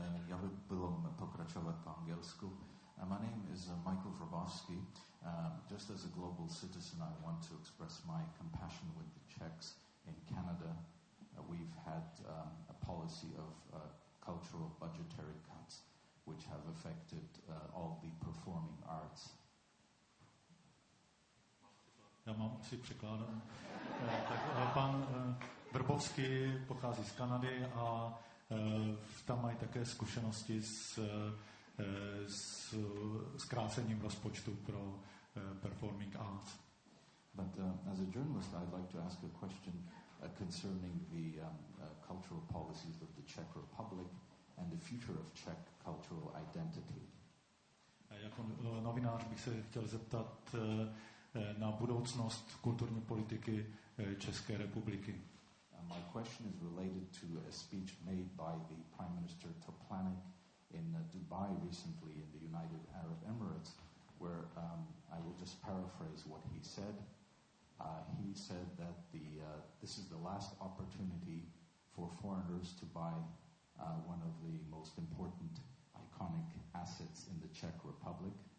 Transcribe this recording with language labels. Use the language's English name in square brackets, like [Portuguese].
[Czech] Já bych byl pokračovat po angelsku. [English] My name is Michael Vrbovsky. Just as a global citizen, I want to express my compassion with the Czechs in Canada. We've had a policy of cultural budgetary cuts, which have affected all the performing arts. [Czech] Já mám si překládat. Pan Vrbovsky pochází z Kanady a tam mají také zkušenosti s zkrácením rozpočtu pro performing arts. [English] But as a journalist, I'd like to ask a question concerning the cultural policies of the Czech Republic and the future of Czech cultural identity. [Czech] Jako novinář bych se chtěl zeptat na budoucnost kulturní politiky České republiky. [English] My question is related to a speech made by the Prime Minister Toplanek in Dubai recently in the United Arab Emirates, where I will just paraphrase what he said. He said that this is the last opportunity for foreigners to buy one of the most important iconic assets in the Czech Republic.